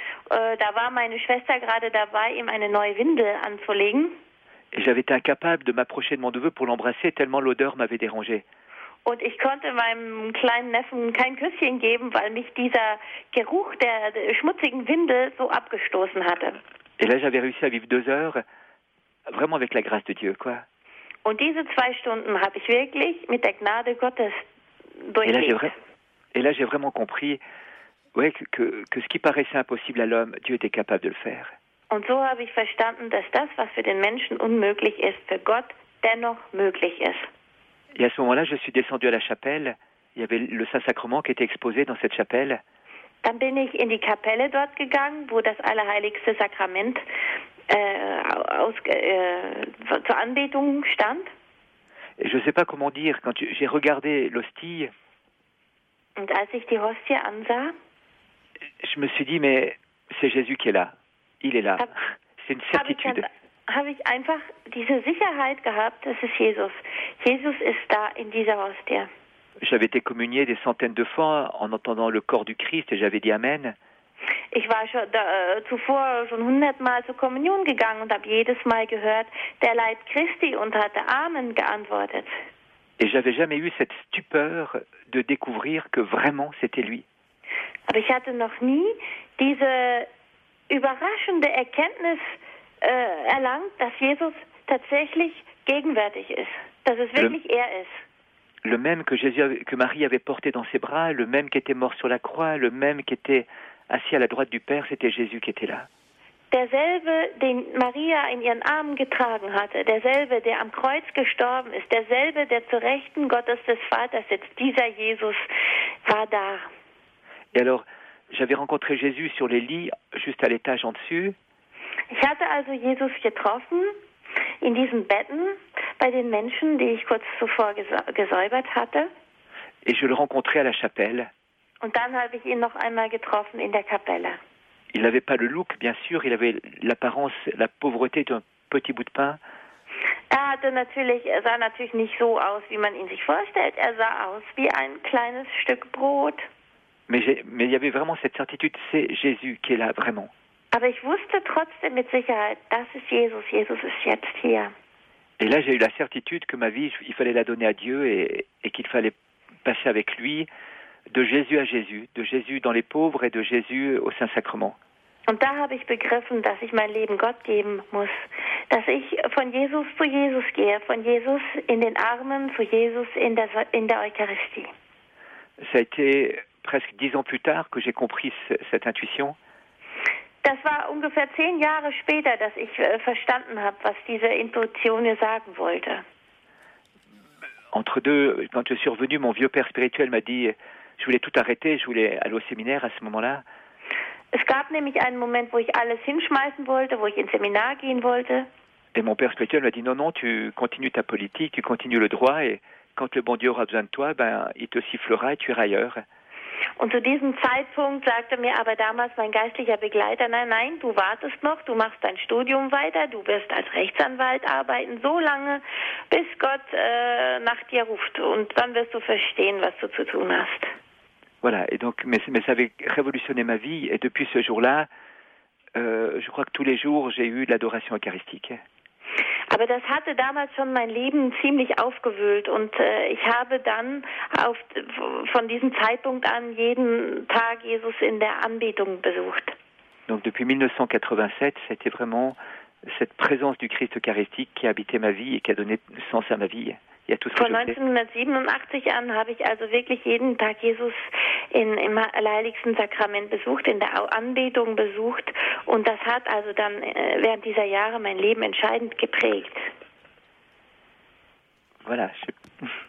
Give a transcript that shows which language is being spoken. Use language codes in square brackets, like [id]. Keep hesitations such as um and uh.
[de] Äh, da war meine Schwester gerade dabei, ihm eine neue Windel anzulegen. [fr] Et j'avais été incapable de m'approcher de mon neveu pour l'embrasser tellement l'odeur m'avait dérangé. [de] Und ich konnte meinem kleinen Neffen kein Küsschen geben, weil mich dieser Geruch der der schmutzigen Windel so abgestoßen hatte. [fr] Et là, j'avais réussi à vivre deux heures, vraiment avec la grâce de Dieu, quoi. [de] Und diese zwei Stunden habe ich wirklich mit der Gnade Gottes [fr] Et là, j'ai [de] durchlebt. [fr] vra- et là, j'ai vraiment compris ouais, que, que, que ce qui paraissait impossible à l'homme, Dieu était capable de le faire. [de] Und so habe ich verstanden, dass das, was für den Menschen unmöglich ist, für Gott dennoch möglich ist. [fr] Et à ce moment-là, je suis descendu à la chapelle. Il y avait le Saint-Sacrement qui était exposé dans cette chapelle. [de] Dann bin ich in die Kapelle dort gegangen, wo das Allerheiligste Sakrament äh, aus, äh, zur Anbetung stand. [fr] Et je ne sais pas comment dire, quand j'ai j'ai regardé l'hostie, [de] Und als ich die Hostie ansah, [fr] je me suis dit, mais c'est Jésus qui est là. Il est là. Ah. C'est une [de] habe ich, ganz- [fr] certitude. [de] habe ich einfach diese Sicherheit gehabt, das ist Jesus. Jesus ist da in dieser Hostie. J'avais été communié des centaines de fois en entendant le corps du Christ et j'avais dit Amen. Ich war schon da, äh, zuvor schon hundertmal zur Kommunion gegangen und habe jedes Mal gehört, der Leib Christi und hatte Amen geantwortet. Et j'avais jamais eu cette stupeur de découvrir que vraiment c'était lui. Aber ich hatte noch nie diese überraschende Erkenntnis äh, erlangt, dass Jesus tatsächlich gegenwärtig ist, dass es Ja. wirklich er ist. [fr] le même que Jésus, que Marie avait porté dans ses bras, le même qui était mort sur la croix, le même qui était assis à la droite du Père, c'était Jésus qui était là. [de] Derselbe, den Maria in ihren Armen getragen hatte, derselbe, der am Kreuz gestorben ist, derselbe, der zu Rechten Gottes des Vaters sitzt, dieser Jesus war da. [fr] Et alors, j'avais rencontré Jésus sur les lits, juste à l'étage en dessus. [de] Ich hatte also Jesus getroffen in diesen Betten bei den Menschen, die ich kurz zuvor gesäubert hatte. [fr] Et je le rencontrais à la chapelle. [de] Und dann habe ich ihn noch einmal getroffen in der Kapelle. [fr] Il n'avait pas le look, bien sûr, il avait l'apparence, la pauvreté d'un petit bout de pain. [de] Er hatte natürlich, er sah natürlich nicht so aus, wie man ihn sich vorstellt. Er sah aus wie ein kleines Stück Brot. [fr] Mais, j'ai- mais il y avait vraiment cette certitude, c'est Jésus qui est là, vraiment. [de] Aber ich wusste trotzdem mit Sicherheit, das ist Jesus. Jesus ist jetzt hier. [fr] Et là, j'ai eu la certitude que ma vie, je- il fallait la donner à Dieu et, et qu'il fallait passer avec lui de Jésus à Jésus, de Jésus dans les pauvres et de Jésus au Saint-Sacrement. [de] Und da habe ich begriffen, dass ich mein Leben Gott geben muss. Dass ich von Jesus zu Jesus gehe, von Jesus in den Armen zu Jesus in der, in der Eucharistie. [fr] Ça a été presque dix ans plus tard que j'ai compris ce- cette intuition. [de] Das war ungefähr zehn Jahre später, dass ich äh, verstanden habe, was diese Intuition mir sagen wollte. [fr] Entre deux, quand je suis revenu, mon vieux père spirituel m'a dit, je voulais tout arrêter, je voulais aller au séminaire à ce moment-là. [de] Es gab nämlich einen Moment, wo ich alles hinschmeißen wollte, wo ich ins Seminar gehen wollte. [fr] Et mon père spirituel m'a dit, non, non, tu continues ta politique, tu continues le droit et quand le bon Dieu aura besoin de toi, ben, il te sifflera et tu iras ailleurs. [de] Und zu diesem Zeitpunkt sagte mir aber damals mein geistlicher Begleiter, nein, nein, du wartest noch, du machst dein Studium weiter, du wirst als Rechtsanwalt arbeiten, so lange, bis Gott äh, nach dir ruft. Und dann wirst du verstehen, was du zu tun hast. [fr] Voilà, et donc, mais, mais ça avait révolutionné ma vie, et depuis ce jour-là, euh, je crois que tous les jours, j'ai eu de l'adoration eucharistique. [de] Aber das hatte damals schon mein Leben ziemlich aufgewühlt und äh, ich habe dann auf, von diesem Zeitpunkt an jeden Tag Jesus in der Anbetung besucht. [fr] Donc, depuis 1987, c'était vraiment cette présence du Christ eucharistique qui a habité ma vie et qui a donné sens à ma vie et à tout ce que [de] Von [fr] je fais. [de] 1987 an habe ich also wirklich jeden Tag Jesus in, im Allerheiligsten Sakrament besucht, in der Au- Anbetung besucht und das hat also dann äh, während dieser Jahre mein Leben entscheidend geprägt. [fr] Voilà, je-